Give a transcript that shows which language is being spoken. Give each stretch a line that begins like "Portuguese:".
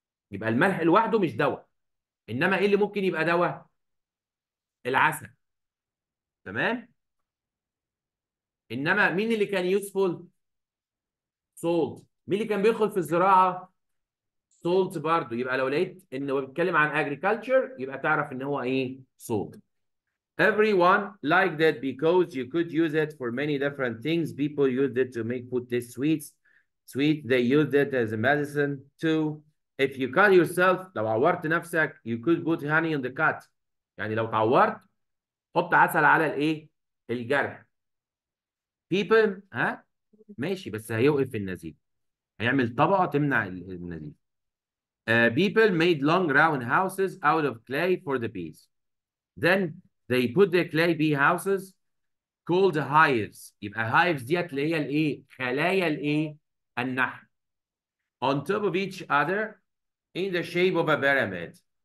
Arabic: يبقى الملح لوحده مش دواء، انما ايه اللي ممكن يبقى دواء؟ العسل. تمام؟ انما مين اللي كان
English: Useful? Salt.
Arabic: مين اللي كان بيدخل في الزراعه؟ سولت برضو. يبقى لو لقيت ان هو بيتكلم عن اجريكلتشر يبقى تعرف ان هو ايه؟ سولت.
English: Everyone liked it because you could use it for many different things. People used it to make food taste sweet. They used it as a medicine too. If you cut yourself,
Arabic: لو عورت نفسك,
English: you could put honey on the cut.
Arabic: يعني لو تعورت حط عسل على الايه؟ الجرح. People ها؟ ماشي، بس هيوقف النزيف. هيعمل طبقة تمنع النزيف.
English: People made long round houses out of clay for the bees. Then they put the clay bee houses called hives.
Arabic: يبقى hives ديت اللي هي الايه؟ خلايا الايه؟ النحل.
English: On top of each other in the shape of a pyramid.